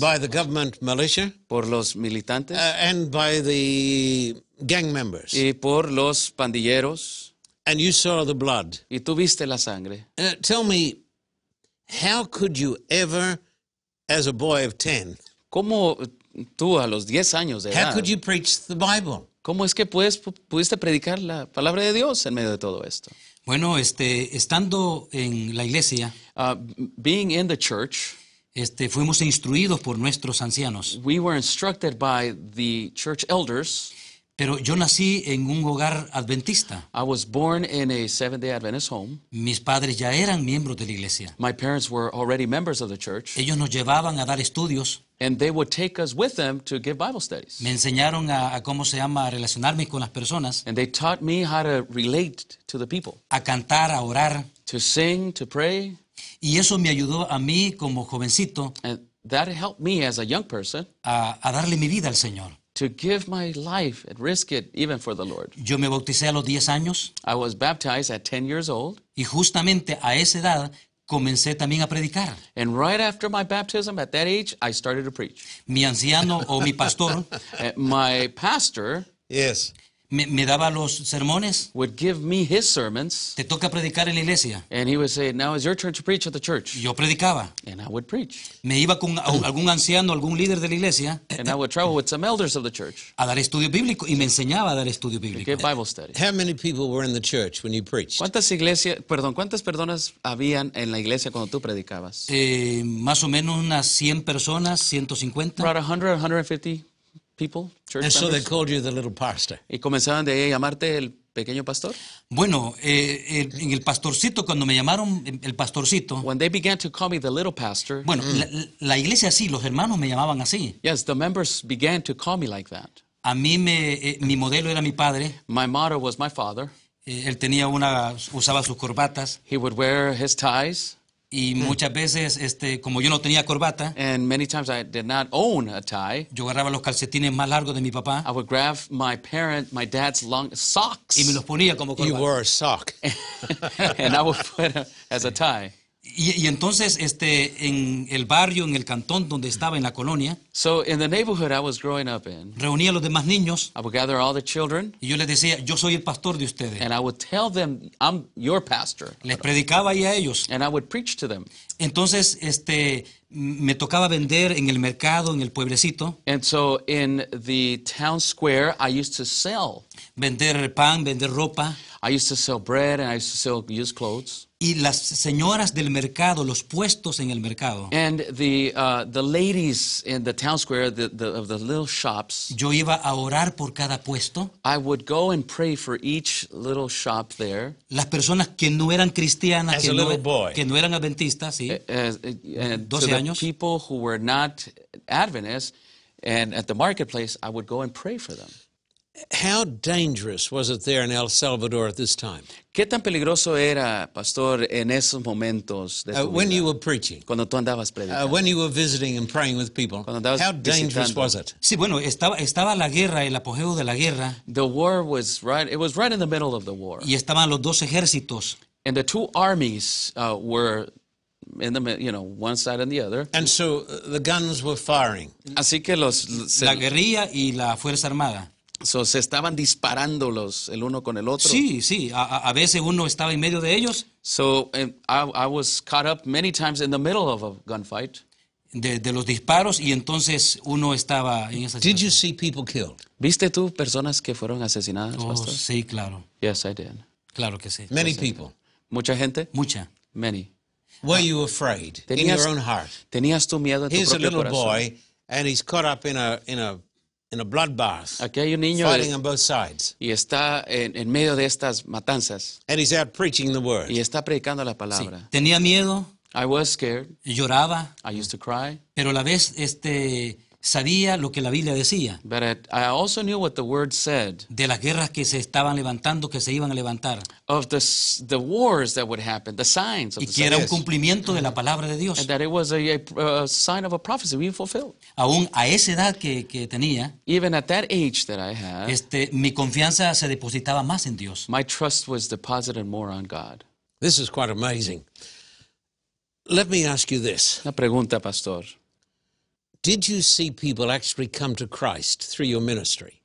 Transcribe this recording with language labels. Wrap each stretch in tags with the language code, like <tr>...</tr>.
<en>By the government militia.</en> <es>Por los militantes.</es> <en>And by the gang members.</en> <es>Y por los pandilleros.</es> <en>And you saw the blood.</en> <es>Y tú viste la sangre.</es> <en>Tell me, how could you ever, as a boy of 10,</en> <es>¿cómo tú a los 10 años de edad,</es> <en>how could you preach the Bible?</en> <es>¿Cómo es que pudiste predicar la palabra de Dios en medio de todo esto? Bueno, estando en la iglesia,</es> <en>being in the church,</en> <es>fuimos instruidos por nuestros ancianos.</es> <en>We were instructed by the church elders.</en> <es>Pero yo nací en un hogar adventista.</es> <en>I was born in a Seventh-day Adventist home.</en> <es>Mis padres ya eran miembros de la iglesia.</es> <en>My parents were already members of the church.</en> <es>Ellos nos llevaban a dar estudios.</es> <en>And they would take us with them to give Bible studies.</en> <es>Me enseñaron a cómo se llama a relacionarme con las personas.</es> <en>And they taught me how to relate to the people.</en> <es>A cantar, a orar.</es> <en>To sing, to pray.</en> <es>Y eso me ayudó a mí como jovencito.</es> <en>And that helped me as a young person.</en> <es>A darle mi vida al Señor.</es> <en>To give my life and risk it even for the Lord.</en> <es>Yo me bauticé a los 10 años.</es> <en>I was baptized at 10 years old.</en> <es>Y justamente a esa edad comencé también a predicar.</es> <en>And right after my baptism, at that age, I started to preach.</en> <es>Mi anciano o mi pastor.</es> <en>My pastor. Yes.</en> <es>Me daba los sermones.</es> <en>Would give me his sermons.</en> <es>Te toca predicar en la iglesia.</es> <en>And he would say, now it's your turn to preach at the church.</en> <es>Yo predicaba.</es> <en>And I would preach.</en> <es>Me iba con algún anciano, algún líder de la iglesia.</es> <en>And I would travel with some elders of the church.</en> <es>A dar estudio bíblico. Y me enseñaba a dar estudio bíblico.</es> <en>To give Bible studies. How many people were in the church when you preached?</en> <es>¿Cuántas personas habían en la iglesia cuando tú predicabas? Más o menos unas 100 personas, 150.</es> <en>About 100, 150 people, church and So they called you the little pastor.</en> <es>¿Y comenzaban de ahí a llamarte el pequeño pastor? Bueno, en el pastorcito, cuando me llamaron el pastorcito.</es> <en>When they began to call me the little pastor.</en> <es>Bueno, la iglesia sí, los hermanos me llamaban así.</es> <en>Yes, the members began to call me like that.</en> <es>A mí, mi modelo era mi padre.</es> <en>My motto was my father.</en> <es>Él usaba sus corbatas.</es> <en>He would wear his ties.</en> <es>Y muchas veces, como yo no tenía corbata,</es> <en>and many times I did not own a tie,</en> <es>yo agarraba los calcetines más largos de mi papá,</es> <en>I would grab my dad's long socks,</en> <es>y me los ponía como corbata.</es> <en>You wore a sock. And I would put them as a tie.</en> <es>Y entonces, en el barrio, en el cantón donde estaba, en la colonia,</es> <en>so in the neighborhood I was growing up in,</en> <es>reunía a los demás niños,</es> <en>I would gather all the children,</en> <es>y yo les decía, yo soy el pastor de ustedes.</es> <en>And I would tell them, I'm your pastor.</en> <es>Les predicaba ahí a ellos.</es> <en>And I would preach to them.</en> <es>Entonces, me tocaba vender en el mercado, en el pueblecito.</es> <en>And so in the town square, I used to sell.</en> <es>Vender pan, vender ropa.</es> <en>I used to sell bread and I used to sell used clothes.</en> <es>Y las señoras del mercado, los puestos en el mercado.</es> <en>And the ladies in the town square, the of the little shops.</en> <es>Yo iba a orar por cada puesto.</es> <en>I would go and pray for each little shop there.</en> <es>Las personas que no eran cristianas, que no eran adventistas, sí. 12 años.</es> <en>The people who were not Adventists, and at the marketplace, I would go and pray for them. How dangerous was it there in El Salvador at this time?</en> <es>¿Qué tan peligroso era, Pastor, en esos momentos de tu vida?</es> <en>When you were preaching.</en> <es>Cuando tú andabas predicando.</es> <en>When you were visiting and praying with people.</en> <es>Cuando andabas</es> <en>How dangerous</en> <es>visitando.</es> <en>Was it?</en> <es>Sí, bueno, estaba la guerra, el apogeo de la guerra.</es> <en>The war was right, it was right in the middle of the war.</en> <es>Y estaban los dos ejércitos.</es> <en>And the two armies were in the middle, you know, one side and the other. And so the guns were firing.</en> <es>Así que los... La guerrilla y la Fuerza Armada. So, se estaban disparándolos el uno con el otro. Sí, sí. A veces uno estaba en medio de ellos.</es> <en>So, I was caught up many times in the middle of a gunfight.</en> <es>De los disparos, y entonces uno estaba en esa situación.</es> <en>Did you see people killed?</en> <es>¿Viste tú personas que fueron asesinadas, oh, Pastor? Sí, claro.</es> <en>Yes, I did.</en> <es>Claro que sí.</es> <en>Many people.</en> <es>¿Mucha gente? Mucha.</es> <en>Many. Were you afraid in your own heart?</en> <es>¿Tenías tú miedo en tu propio corazón?</es> <en>Here's a little boy, and he's caught up in a bloodbath.</en> <es>Aquí hay un niño</es> <en>fighting on both sides.</en> <es>Y está en medio de estas matanzas.</es> <en>And he's out preaching the word.</en> <es>Y está predicando la palabra. Sí. Tenía miedo.</es> <en>I was scared.</en> <es>Lloraba.</es> <en>I used to cry.</en> <es>Pero a la vez sabía lo que la Biblia decía.</es> <en>But I also knew what the word said.</en> <es>De las guerras que se estaban levantando, que se iban a levantar.</es> <en>Of the wars that would happen, the signs of</en> <es>y</es> <en>the</en> <es>que era un cumplimiento de la palabra de Dios.</es> <en>And that it was a sign of a prophecy being fulfilled.</en> <es>Aún a esa edad que tenía,</es> <en>even at that age that I had,</en> <es>mi confianza se depositaba más en Dios.</es> <en>My trust was deposited more on God. This is quite amazing. Let me ask you this.</en> <es>La pregunta, Pastor.</es> <en>Did you see people actually come to Christ through your ministry?</en>